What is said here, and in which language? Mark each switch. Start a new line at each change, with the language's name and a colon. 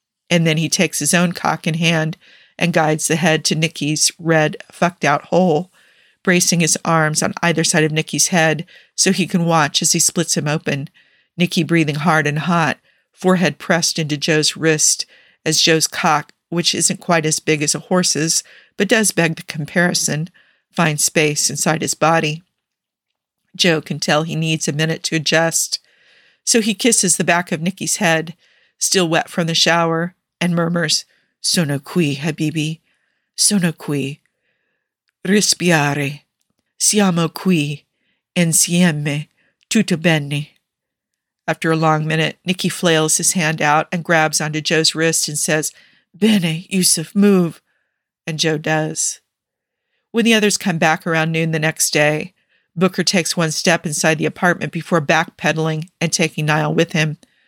English: And then he takes his own cock in hand and guides the head to Nikki's red, fucked-out hole, bracing his arms on either side of Nikki's head so he can watch as he splits him open, Nikki breathing hard and hot, forehead pressed into Joe's wrist as Joe's cock, which isn't quite as big as a horse's but does beg the comparison, finds space inside his body. Joe can tell he needs a minute to adjust, so he kisses the back of Nikki's head, still wet from the shower, and murmurs,
Italian: "Sono qui, Habibi, sono qui. Respirare, siamo qui, insieme, tutto bene."
English: After a long minute, Nikki flails his hand out and grabs onto Joe's wrist and says,
Italian: "Bene,
English: Yusuf, move." And Joe does. When the others come back around noon the next day, Booker takes one step inside the apartment before backpedaling and taking Niall with him.